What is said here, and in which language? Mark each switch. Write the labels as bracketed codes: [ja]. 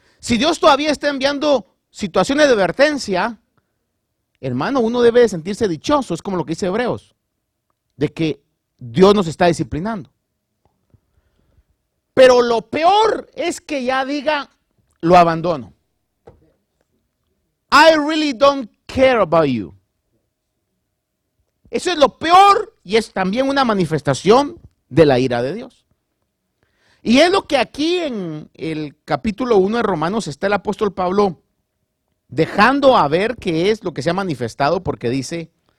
[es] Si Dios todavía está enviando situaciones de advertencia, hermano, uno debe de sentirse dichoso, es como lo que dice Hebreos, de que Dios nos está disciplinando. Pero lo peor es que ya diga, lo abandono. [en] I really don't care about you. [es] Eso es lo peor y es también una manifestación de la ira de Dios. Y es lo que aquí en el capítulo 1 de Romanos está el apóstol Pablo dejando a ver qué es lo que se ha manifestado, porque dice